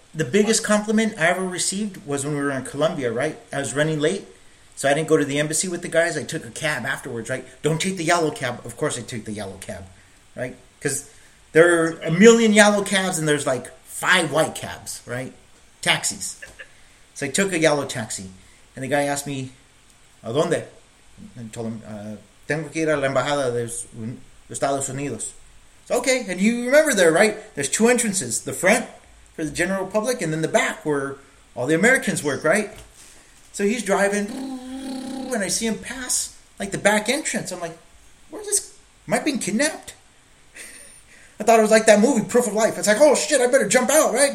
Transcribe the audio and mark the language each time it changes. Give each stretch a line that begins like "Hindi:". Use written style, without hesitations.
English: The biggest compliment I ever received was when we were in Colombia, right? I was running late, so I didn't go to the embassy with the guys. I took a cab afterwards, right? Don't take the yellow cab. Of course I took the yellow cab, right? Because there are a million yellow cabs and there's like five white cabs, right? Taxis. So I took a yellow taxi. And the guy asked me, ¿A dónde? And I told him,
Spanish: tengo que ir a la embajada de Estados Unidos.
English: So, okay, and you remember there, right? There's two entrances, the front for the general public, and then the back where all the Americans work, right? So he's driving, and I see him pass like the back entrance. I'm like, where's this? Am I being kidnapped? I thought it was like that movie, Proof of Life. It's like, oh shit, I better jump out, right?